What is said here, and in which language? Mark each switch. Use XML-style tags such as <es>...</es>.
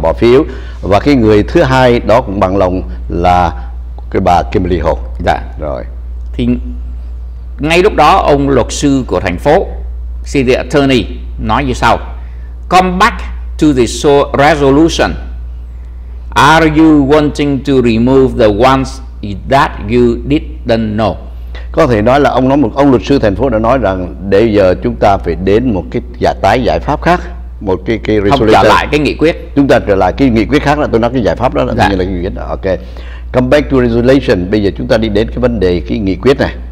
<vi>Bỏ phiếu, và cái người thứ hai đó cũng bằng lòng là cái bà Kimberly Hall. Dạ. Rồi. Thì ngay lúc đó ông luật sư của thành phố, City Attorney, nói như sau:</vi> <en>Come back to the resolution. Are you wanting to remove the ones that you didn't know?</en> <vi>Có thể nói là ông luật sư thành phố đã nói rằng để giờ chúng ta phải đến một cái giải pháp khác, một cái resolution. Không, trở lại cái nghị quyết. Chúng ta trở lại cái nghị quyết khác, là tôi nói cái giải pháp đó là như là nghị quyết đó. Ok.</vi> <en>Come back to resolution.</en> <vi>Bây giờ chúng ta đi đến cái vấn đề cái nghị quyết này.</vi>